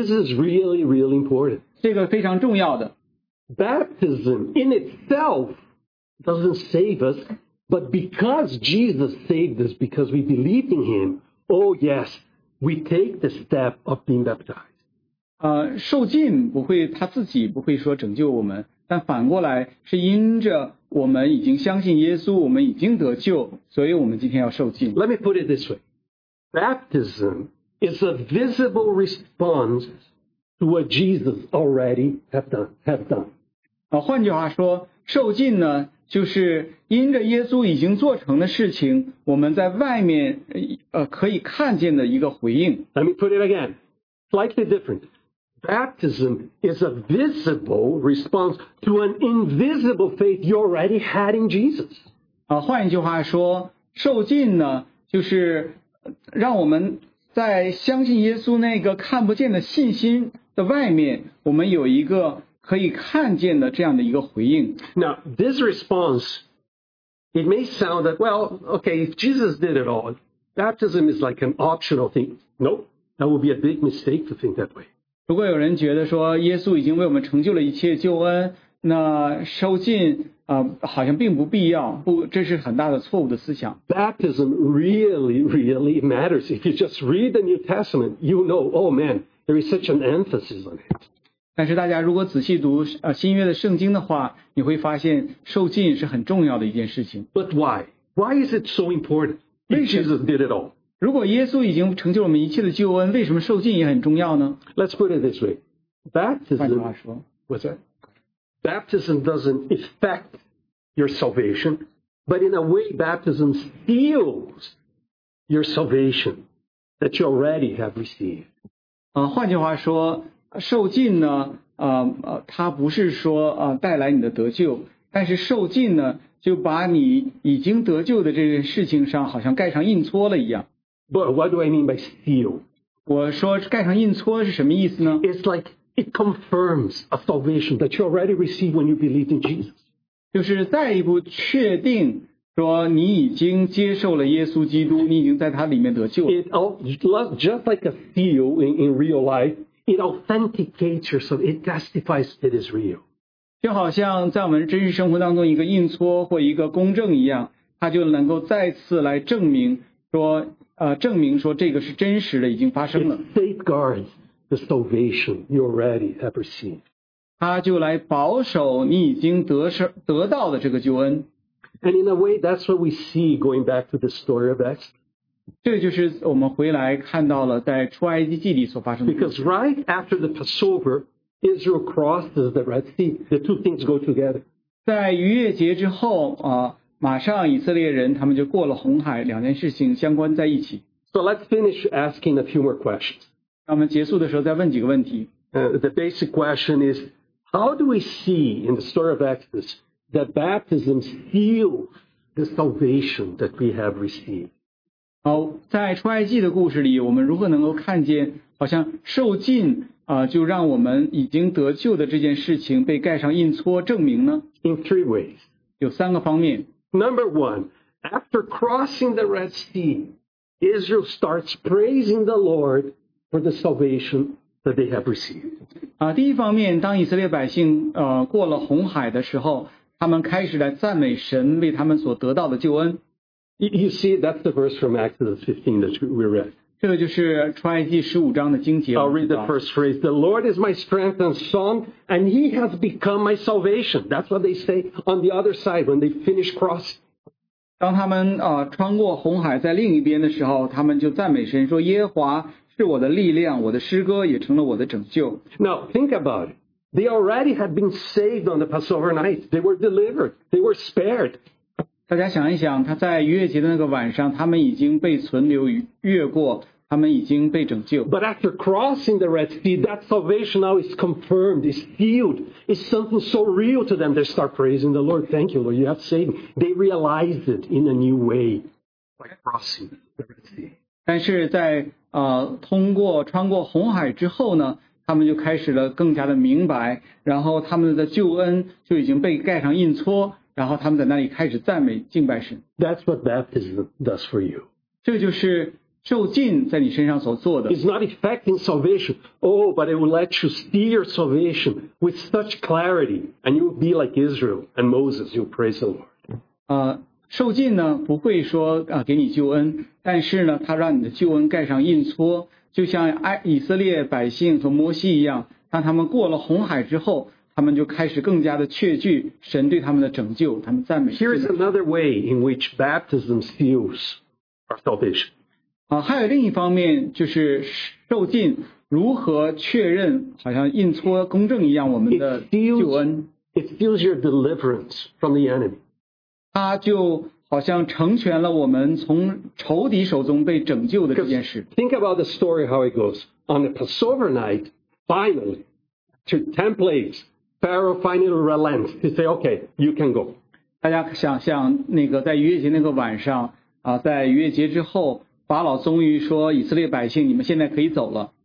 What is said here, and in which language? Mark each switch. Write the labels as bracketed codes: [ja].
[en] This is really, really important. [zh] 这个非常重要的。 [en] Baptism in itself doesn't save us, but because Jesus saved us, because we believed in him, oh yes, we take the step of being baptized. [zh] 受浸不会，他自己不会说拯救我们。但反过来是因着我们已经相信耶稣，我们已经得救，所以我们今天要受浸。 [en] Let me put it this way. Baptism is a visible response to what Jesus already have done. [zh] 换句话说，受浸呢，就是因着耶稣已经做成的事情，我们在外面可以看见的一个回应。 [en] Let me put it again. Slightly different. Baptism is a visible response to an invisible faith you already had in Jesus. [zh] 换一句话说，受浸呢，就是让我们在相信耶稣那个看不见的信心的外面，我们有一个可以看见的这样的一个回应。 [en] Now, this response, it may sound that, well, okay, if Jesus did it all, baptism is like an optional thing. Nope, that would be a big mistake to think that way. [zh] 如果有人觉得说耶稣已经为我们成就了一切救恩，那受浸好像并不必要，不，这是很大的错误的思想。 [en] Baptism really, really matters. If you just read the New Testament, you know, oh man, there is such an emphasis on it. [zh] 但是大家如果仔细读新约的圣经的话，你会发现受浸是很重要的一件事情。 [en] But why? Why is it so important? If Jesus did it all. [zh] 如果耶稣已经成就我们一切的救恩，为什么受浸也很重要呢 [en] ？Let's put it this way: baptism. What's that? Baptism doesn't affect your salvation, but in a way, baptism seals your salvation that you already have received. [zh] 换句话说，受浸呢，它不是说带来你的得救，但是受浸呢，就把你已经得救的这件事情上好像盖上印戳了一样。 [en] But what do I mean by seal? [zh] 我说盖上印戳是什么意思呢？ [en] It's like it confirms a salvation that you already received when you believed in Jesus. [zh] 就是再一步确定说你已经接受了耶稣基督，你已经在他里面得救了。 [en] It just like a seal in real life, it authenticates yourself, it testifies it is real. [zh] 就好像在我们真实生活当中一个印戳或一个公证一样，它就能够再次来证明说，证明说这个是真实的，已经发生了。 [en] It safeguards the salvation you already ever seen. [zh] 它就来保守你已经得到的这个救恩。 [en] And in a way, that's what we see going back to the story of Exodus. [zh] 这就是我们回来看到了在出埃及记里所发生的。 [en] Because right after the Passover, Israel crosses the Red Sea. The two things go together. [zh] 在逾越节之后，马上以色列人他们就过了红海，两件事情相关在一起。 [en] So let's finish asking a few more questions. [zh] 那我们结束的时候再问几个问题。 [en] The basic question is, how do we see in the story of Exodus,that baptism seals the salvation that we have received. [zh] 好，在出埃及的故事里，我们如何能够看见好像受浸就让我们已经得救的这件事情被盖上印戳证明呢？ [en] In three ways. [zh] 有三个方面。 [en] Number one, after crossing the Red Sea, Israel starts praising the Lord for the salvation that they have received. [zh] 第一方面，当以色列百姓过了红海的时候，他们开始来赞美神为他们所得到的救恩。 [en] You see, that's the verse from Exodus 15 that we read. [zh] 这个就是出埃及十五章的经节。 [en] I'll read the first phrase. The Lord is my strength and song, and he has become my salvation. That's what they say on the other side when they finish crossing. [zh] 当他们穿过红海在另一边的时候，他们就赞美神说，耶和华是我的力量，我的诗歌也成了我的拯救。 [en] Now, think about it. They already had been saved on the Passover night. They were delivered. They were spared. [zh] 大家想一想，他在逾越节的那个晚上，他们已经被存留越过，他们已经被拯救。 [en] But after crossing the Red Sea, that salvation now is confirmed, is sealed. It's something so real to them. They start praising the Lord. Thank you, Lord. You have saved me. They realized it in a new way by crossing the Red Sea. [zh] 但是在穿过红海之后呢？他们就开始了更加的明白，然后他们的救恩就已经被盖上印戳，然后他们在那里开始赞美敬拜神。 [en] That's what baptism does for you. [zh] 这就是受浸在你身上所做的。 [en] It's not affecting salvation. Oh, but it will let you see your salvation with such clarity, and you will be like Israel and Moses. You'll praise the Lord. [zh] 受浸呢不会说给你救恩，但是呢他让你的救恩盖上印戳。就像以色列百姓和摩西一样，当他们过了红海之后，他们就开始更加的确据神对他们的拯救，他们赞美。 [en] Here is another way in which baptism seals our salvation. [zh] 还有另一方面就是受浸如何确认，好像印戳公证一样我们的救恩。 [en] It seals your deliverance from the enemy. [zh] 它就好像成全了我们从仇敌手中被拯救的这件事。 [en] Think about the story how it goes. On the Passover night, finally, to 10 plagues, Pharaoh finally relents to say, okay, you can go. [zh] 大家想象那个在逾越节那个晚上在逾越节之后，法老终于说以色列百姓，你们现在可以走了。